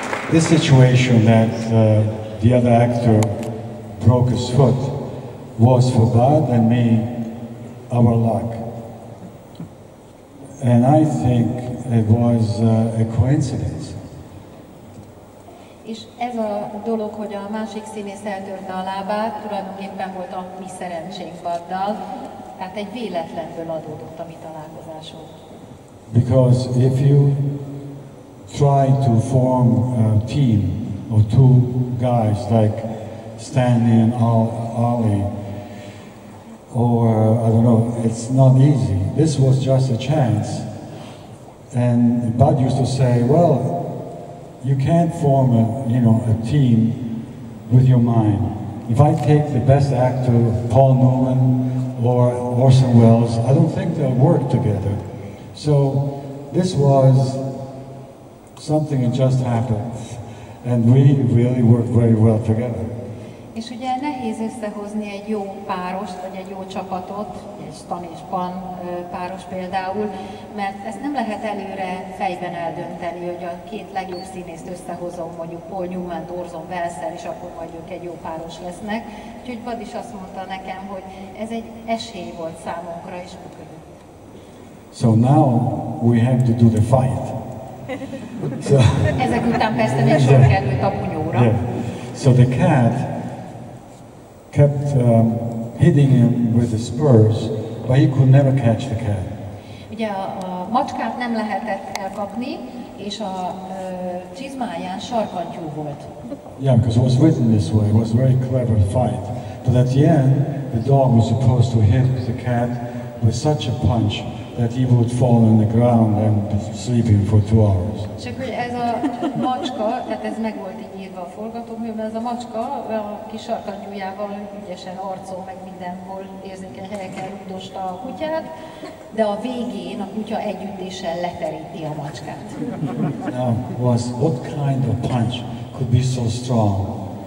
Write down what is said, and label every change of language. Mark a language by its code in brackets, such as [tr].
[en] This situation that the other actor broke his foot was for Bud and me our luck. And I think it was a coincidence. [hu] És ez a dolog, hogy a másik színész eltörte a lábát, tulajdonképpen volt a mi szerencsénk Buddal. Tehát egy véletlenből adódott a mi találkozásunk. [en] Because if you try to form a team of two guys like Stanley and Ali, or I don't know, it's not easy. This was just a chance. And Bud used to say, well, you can't form a, you know, a team with your mind. If I take the best actor, Paul Newman or Orson Welles, I don't think they'll work together. So this was something that just happened, and we really worked very well together. [hu] És ugye nehéz összehozni egy jó párost, vagy egy jó csapatot, egy Stan és Pan páros például, mert ezt nem lehet előre fejben eldönteni, hogy a két legjobb színészt összehozom, mondjuk Paul Newman, Orson Welles-el, és akkor majd ők egy jó páros lesznek. Úgyhogy Bud is azt mondta nekem, hogy ez egy esély volt számunkra, és működött. [en] So now we have to do the fight. [hu] So, ezek után persze még sor került a bunyóra. [en] Yeah. So the cat kept hitting him with the spurs, but he could never catch the cat. [hu] Ugye a macskát nem lehetett elkapni, és a csizmáján sarkantyú volt. [en] Yeah, because it was written this way. It was a very clever fight. But at the end, the dog was supposed to hit the cat with such a punch that he would fall on the ground and be sleeping for 2 hours. [hu] Csak hogy ez a macska, tehát ez meg volt így írva a forgatókönyvben, ez a macska a kis sarkantyújával ügyesen arcol, meg mindenhol érzékeny helyeken rúgdosta a kutyát, de a végén a kutya együttéssel leteríti a macskát. [en] Now, was what kind of punch could be so strong?